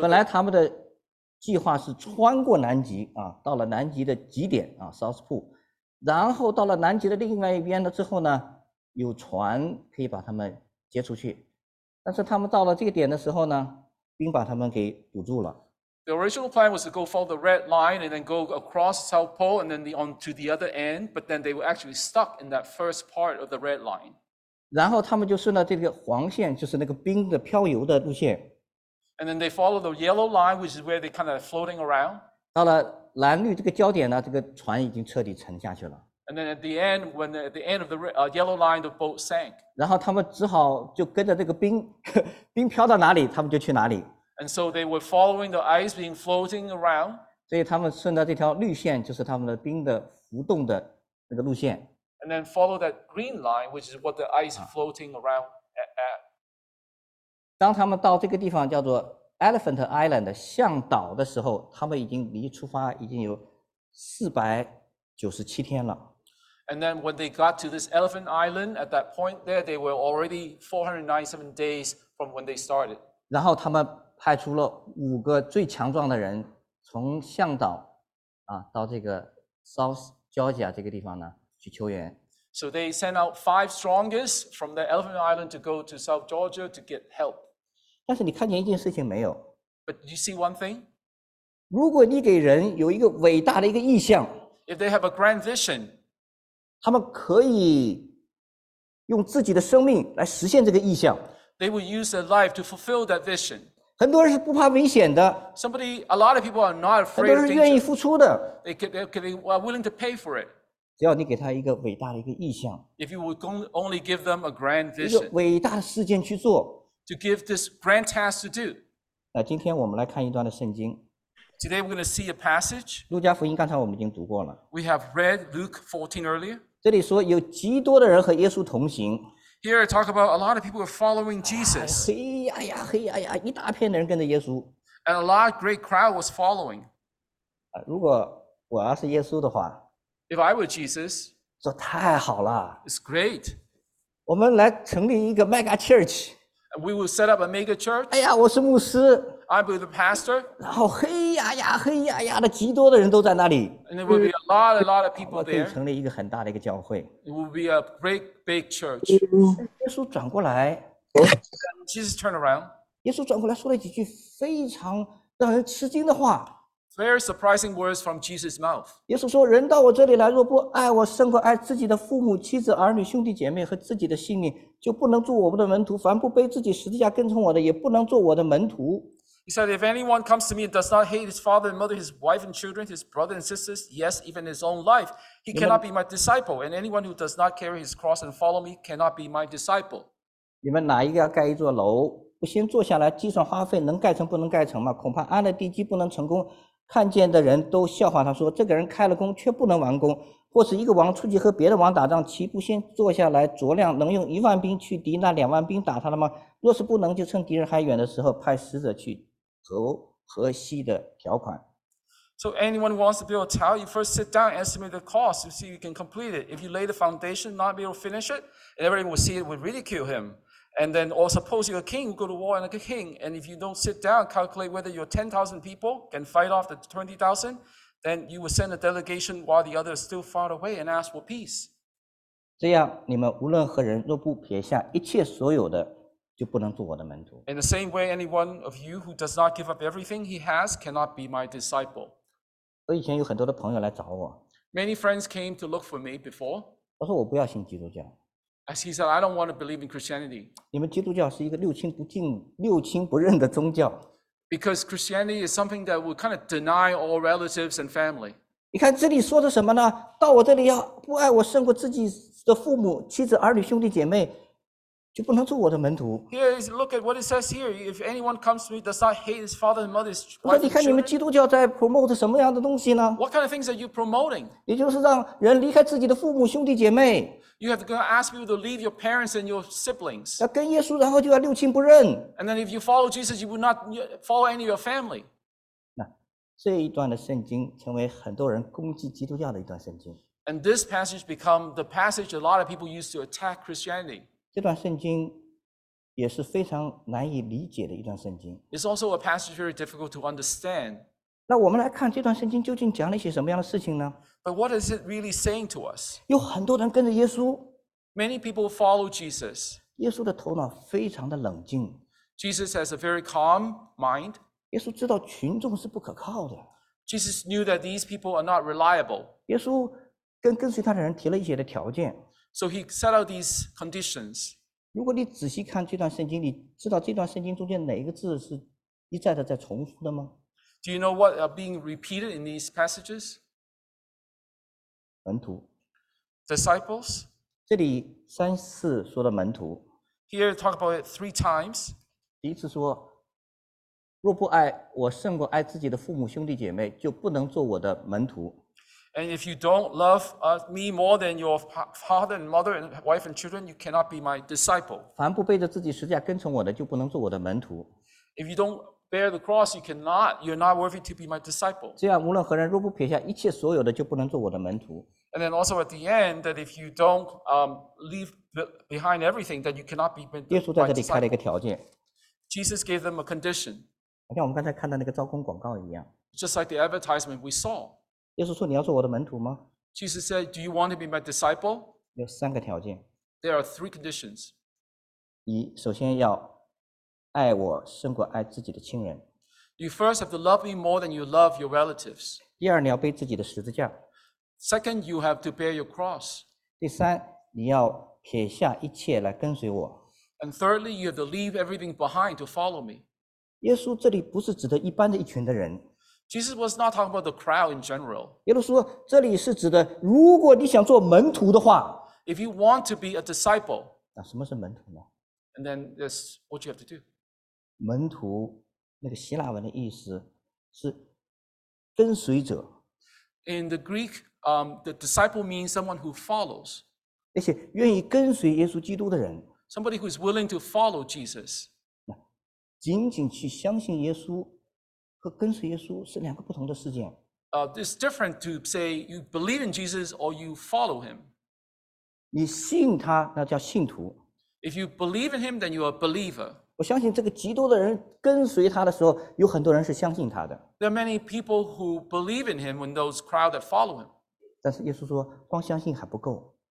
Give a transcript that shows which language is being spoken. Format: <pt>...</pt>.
<zh>本来他们的计划是穿过南极啊，到了南极的极点啊 ，</zh> <en>South Pole，</en> <zh>然后到了南极的另外一边了之后呢，有船可以把他们接出去。但是他们到了这个点的时候呢？冰把他们给堵住了。</zh> <en>The original plan was to go follow the red line and then go across South Pole and then on to the other end, but then they were actually stuck in that first part of the red line.</en> <zh>然后他们就顺着这个黄线，就是那个冰的漂游的路线。</zh> <en>And then they follow the yellow line, which is where they kind of floating around.</en> <zh>到了蓝绿这个交点呢，这个船已经彻底沉下去了。</zh> <en>And then at the end, when at the end of the yellow line, the boat sank.</en> <zh>然后他们只好就跟着这个冰，冰飘到哪里，他们就去哪里。</zh> <en>And so they were following the ice being floating around.</en> <zh>所以他们顺着这条绿线，就是他们的冰的浮动的那个路线。</zh> <en>And then follow that green line, which is what the ice floating around at.</en> <zh>当他们到这个地方叫做 Elephant Island 象岛的时候，他们已经离出发已经有497天了。</zh> <en>And then when they got to this Elephant Island, at that point there, they were already 497 days from when they started.</en> <zh>然后他们派出了五个最强壮的人，从象岛啊到这个 South Georgia 这个地方呢去求援。</zh> <en>So they sent out five strongest from the Elephant Island to go to South Georgia to get help.</en> <zh>但是你看见一件事情没有</zh> <en>？But you see one thing.</en> <zh>如果你给人有一个伟大的一个意向</zh> <en>，If they have a grand vision.</en> <zh>他们可以用自己的生命来实现这个意向。</zh> <en>They will use their life to fulfill that vision.</en> <zh>很多人是不怕危险的。</zh> <en>Somebody, a lot of people are not afraid of danger.</en> <zh>很多人愿意付出的。</zh> <en>They are willing to pay for it.</en> <zh>只要你给他一个伟大的一个意向。</zh> <en>If you would only give them a grand vision.</en> <zh>一个伟大的事件去做。</zh> <en>To give this grand task to do.</en> <zh>那今天我们来看一段的圣经。</zh> <en>Today we're going to see a passage.</en> <zh>路加福音刚才我们已经读过了。</zh> <en>We have read Luke 14 earlier.</en> <zh>这里说有极多的人和耶稣同行。</zh> <en>Here I talk about a lot of people are following Jesus.</en> <zh>嘿呀，一大片的人跟着耶稣。</zh> <en>And a large great crowd was following.</en> <zh>如果我要是耶稣的话，</zh> <en>If I were Jesus,</en> <zh>说太好了</zh> <en>，It's great。</en> <zh>我们来成立一个</zh> <en>mega church。 We will set up a mega church。</en> <zh>哎呀，我是牧师。</zh> <en>I will be the pastor。</en> <zh>然后黑呀呀黑呀呀的，极多的人都在那里。</zh> <en>And there will be a lot of people there。</en> <zh>我可以成立一个很大的一个教会。</zh> <en>It will be a great big church。</en> <zh>耶稣转过来。</zh> <en>Jesus turned around。</en> <zh>耶稣转过来说了几句非常让人吃惊的话。</zh> <en>Very surprising words from Jesus' mouth.</en> <zh>耶稣说：“人到我这里来，若不爱我，胜过爱自己的父母、妻子、儿女、兄弟姐妹和自己的性命，就不能做我的门徒。凡不背自己十字架跟从我的，也不能做我的门徒。”</zh> <en>He said, "If anyone comes to me and does not hate his father and mother, his wife and children, his brother and sisters, yes, even his own life, he cannot be my disciple. And anyone who does not carry his cross and follow me cannot be my disciple."</en> <zh>你们哪一个要盖一座楼，不先坐下来计算花费，能盖成不能盖成吗？恐怕安了地基不能成功。看见的人都笑话他说：“这个人开了工却不能完工。” 或是一个王出去和别的王打仗，岂不先坐下来酌量，能用一万兵去敌那两万兵打他了吗？若是不能，就趁敌人还远的时候，派使者去投河西的条款。</zh> <en>So anyone who wants to build a tower, you first sit down and estimate the cost to see if you can complete it. If you lay the foundation, not be able to finish it, and everyone will see it, will ridicule him. And then, or suppose you're a king, go to war and like a king, and if you don't sit down, calculate whether your 10,000 people can fight off the 20,000, then you will send a delegation while the others still far away and ask for peace.</en> <zh>这样，你们无论何人，若不撇下一切所有的，就不能做我的门徒。</zh> <en>In the same way, anyone of you who does not give up everything he has cannot be my disciple.</en> <zh>我以前有很多的朋友来找我。</zh> <en>Many friends came to look for me before.</en> <zh>我说我不要信基督教。</zh> <en>As he said, I don't want to believe in Christianity.</en> <zh>你们基督教是一个六亲不敬、六亲不认的宗教。</zh> <en>Because Christianity is something that will kind of deny all relatives and family.</en> <zh>你看这里说的什么呢？到我这里要不爱我胜过自己的父母、妻子、儿女、兄弟姐妹，就不能做我的门徒。</zh> <en>Here is look at what it says here. If anyone comes to me, does not hate his father and mother's wife and children.</en> <zh>我说你看你们基督教在</zh> <en>promote</en> <zh>什么样的东西呢</zh> <en>？What kind of things are you promoting?</en> <zh>也就是让人离开自己的父母、兄弟姐妹。</zh> <en>You have to ask people to leave your parents and your siblings.</en> <zh>要跟耶稣，然后就要六亲不认。</zh> <en>And then if you follow Jesus, you would not follow any of your family.</en> <zh>那这一段的圣经成为很多人攻击基督教的一段圣经。</zh> <en>And this passage become the passage a lot of people use to attack Christianity.</en> <zh>这段圣经也是非常难以理解的一段圣经。</zh> <en>It's also a passage very difficult to understand.</en> <zh>那我们来看这段圣经究竟讲了一些什么样的事情呢？</zh> <en>But what is it really saying to us?</en> <zh>有很多人跟着耶稣。</zh> <en>Many people follow Jesus.</en> <zh>耶稣的头脑非常的冷静。</zh> <en>Jesus has a very calm mind.</en> <zh>耶稣知道群众是不可靠的。</zh> <en>Jesus knew that these people are not reliable.</en> <zh>耶稣跟随他的人提了一些的条件。</zh> <en>So he set out these conditions.</en> <zh>如果你仔细看这段圣经，你知道这段圣经中间哪一个字是一再的在重复的吗？</zh> <en>Do you know what are being repeated in these passages?</en> <zh>门徒</zh> <en>，disciples，</en> <zh>这里三次说的门徒</zh> <en>，here talk about it three times。</en> <zh>第一次说，若不爱我胜过爱自己的父母兄弟姐妹，就不能做我的门徒。</zh> <en>And if you don't love me more than your father and mother and wife and children, you cannot be my disciple。</en> <zh>凡不背着自己十字架跟从我的，就不能做我的门徒。</zh> <en>If you don't bear the cross, you cannot. You're not worthy to be my disciple.</en> <zh>这样，无论何人，若不撇下一切所有的，就不能做我的门徒。</zh> <en>And then also at the end, that if you don't leave behind everything, that you cannot be my disciple.</en> <zh>耶稣在这里开了一个条件。</zh> <en>Jesus gave them a condition.</en> <zh>好像我们刚才看到那个招工广告一样。</zh> <en>Just like the advertisement we saw.</en> <zh>耶稣说：“你要做我的门徒吗</zh> <en>？”Jesus said, "Do you want to be my disciple?"</en> <zh>有三个条件。</zh> <en>There are three conditions.</en> <zh>你首先要。爱我胜过爱自己的亲人。</zh> <en>You first have to love me more than you love your relatives.</en> <zh>第二，你要背自己的十字架。</zh> <en>Second, you have to bear your cross.</en> <zh>第三，你要撇下一切来跟随我。</zh> <en>And thirdly, you have to leave everything behind to follow me.</en> <zh>耶稣这里不是指的一般的一群的人。</zh> <en>Jesus was not talking about the crowd in general.</en> <zh>耶稣说，这里是指的，如果你想做门徒的话。</zh> <en>If you want to be a disciple.</en> <zh>那什么是门徒呢？</zh> <en>And then that's what you have to do.</en> <zh>门徒那个希腊文的意思是跟随者。</zh> <en>In the Greek, the disciple means someone who follows.</en> <zh>那些愿意跟随耶稣基督的人。</zh> <en>Somebody who is willing to follow Jesus.</en> <zh>仅仅去相信耶稣和跟随耶稣是两个不同的事件。</zh> <en>It's different to say you believe in Jesus or you follow him.</en> <zh>你信他，那叫信徒。</zh> <en>If you believe in him, then you are a believer.</en> <zh>我相信这个极多的人跟随他的时候，有很多人是相信他的。</zh> <en>There are many people who believe in him when those crowd that follow him.</en> <zh>但是耶稣说，光相信还不够。</zh>